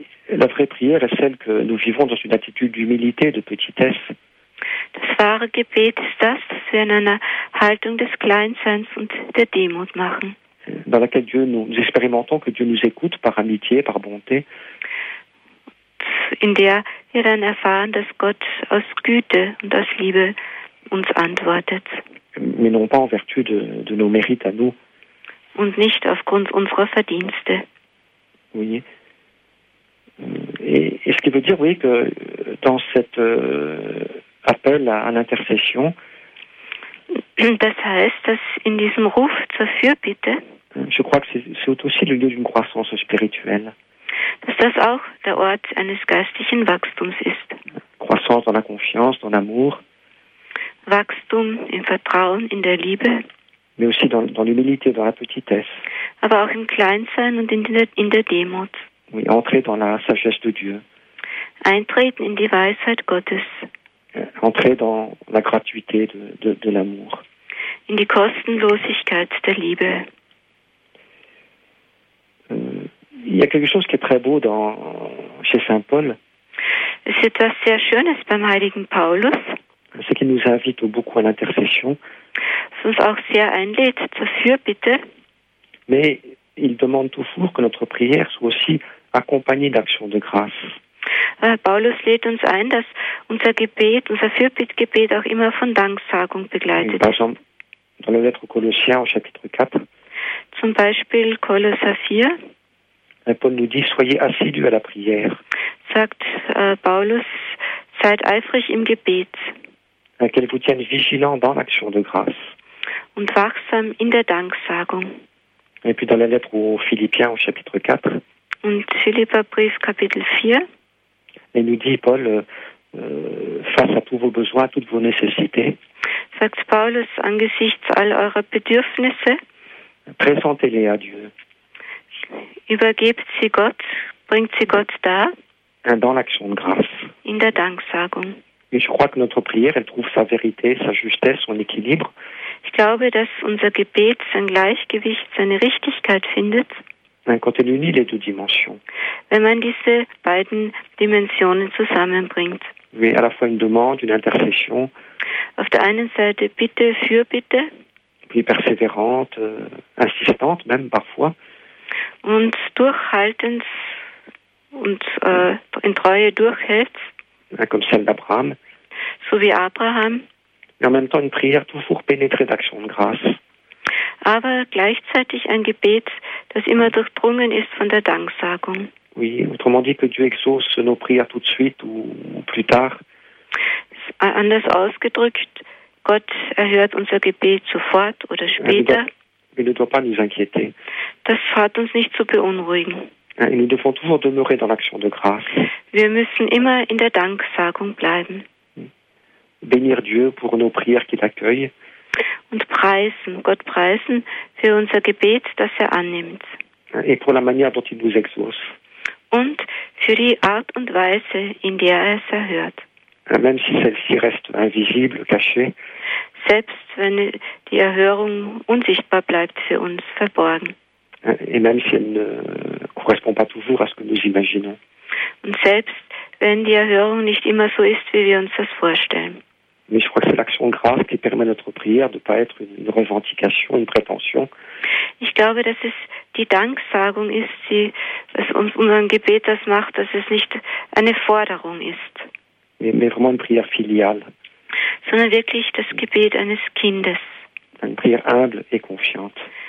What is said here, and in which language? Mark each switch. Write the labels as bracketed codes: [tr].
[fr] La vraie prière est celle que nous vivons dans une attitude d'humilité, de petitesse. [de] Das wahre Gebet ist das, dass wir in einer Haltung des Kleinseins und der Demut machen. [fr] Dans laquelle Dieu nous expérimentons que Dieu nous écoute par amitié, par bonté. [de] In der wir dann erfahren, dass Gott aus Güte und aus Liebe uns antwortet. [fr] Mais non pas en vertu de nos mérites à nous. [de] Und nicht aufgrund unserer Verdienste. [fr] Oui. Et ce qui veut dire, oui, que dans cet appel à l'intercession, [de] das heißt, dass in diesem Ruf zur Fürbitte, [fr] je crois que c'est aussi le lieu d'une croissance spirituelle. [de] Dass das auch der Ort eines geistlichen Wachstums ist. [fr] Croissance dans la confiance, dans l'amour. [de] Wachstum im Vertrauen, in der Liebe. [fr] Mais aussi dans l'humilité, dans la petitesse. [de] Aber auch im Kleinsein und in der Demut. [fr] Oui, entrer dans la sagesse de Dieu. [de] Eintreten in die Weisheit Gottes. [fr] Entrer dans la gratuité de l'amour. [de] In die Kostenlosigkeit der Liebe. [fr] Il y a quelque chose qui est très beau chez Saint Paul. C'est [de] etwas sehr Schönes beim Heiligen Paulus. [fr] C'est qu'il nous invite beaucoup à l'intercession. [de] Es uns auch sehr einlädt zur Fürbitte. [fr] Mais il demande toujours que notre prière soit aussi accompagnée d'actions de grâce. [de] Paulus lädt uns ein, dass unser Gebet, unser Fürbittgebet auch immer von Danksagung begleitet. [fr] Par exemple, dans la lettre aux Colossiens au chapitre 4. [de] Zum Beispiel Kolosser 4. [fr] Paul nous dit, soyez assidus à la prière. [de] Sagt Paulus, seid eifrig im Gebet. [fr] Qu'elle vous tienne vigilant dans l'action de grâce. [de] Und wachsam in der Danksagung. [fr] Et puis dans la lettre aux Philippiens au chapitre 4. [de] Und Philipperbrief Kapitel 4. [fr] Et nous dit Paul, face à tous vos besoins, toutes vos nécessités. [de] Sagt Paulus, angesichts all eurer Bedürfnisse. [fr] Présentez-les à Dieu. [de] übergibt sie Gott, bringt sie Gott dar. [fr] Dans l'action de grâce. [de] In der Danksagung. [fr] Et je crois que notre prière, elle trouve sa vérité, sa justesse, son équilibre. [de] Ich glaube, dass unser Gebet sein Gleichgewicht, seine Richtigkeit findet. [fr] Quand elle unit les deux dimensions. [de] Wenn man diese beiden Dimensionen zusammenbringt. [fr] Oui, à la fois une demande, une intercession. [de] Auf der einen Seite Bitte, Fürbitte. [fr] Puis persévérante, insistante même parfois. [de] Und durchhaltend und in Treue durchhält. [fr] Comme celle d'Abraham. [de] So wie Abraham. [fr] Et en même temps une prière toujours pénétrée d'action de grâce. [de] Aber gleichzeitig ein Gebet, das immer durchdrungen ist von der Danksagung. [fr] Oui, autrement dit que Dieu exauce nos prières tout de suite ou plus tard. [de] Anders ausgedrückt, Gott erhört unser Gebet sofort oder später. [fr] Il ne doit pas nous inquiéter. [de] Das hat uns nicht zu beunruhigen. [fr] Et nous devons toujours demeurer dans l'action de grâce. [de] Wir müssen immer in der Danksagung bleiben. [fr] Bénir Dieu pour nos prières qu'il accueille. [de] Und preisen, Gott preisen für unser Gebet, das er annimmt. [fr] Et pour la manière dont il nous exauce. [de] Und für die Art und Weise, in der er es erhört. [fr] Même si celle-ci reste invisible, cachée. [de] Selbst wenn die Erhörung unsichtbar bleibt für uns, verborgen. [fr] Et même si elle ne correspond pas toujours à ce que nous imaginons. [de] Und selbst wenn die Erhörung nicht immer so ist, wie wir uns das vorstellen. [fr] Mais je crois que c'est l'action de grâce qui permet notre prière de ne pas être une revendication, une prétention. [de] Ich glaube, dass es die Danksagung ist, die es uns unserem Gebet das macht, dass es nicht eine Forderung ist. [fr] Mais vraiment une prière filiale. [de] Sondern wirklich das Gebet eines Kindes. [fr] Une prière humble et confiante.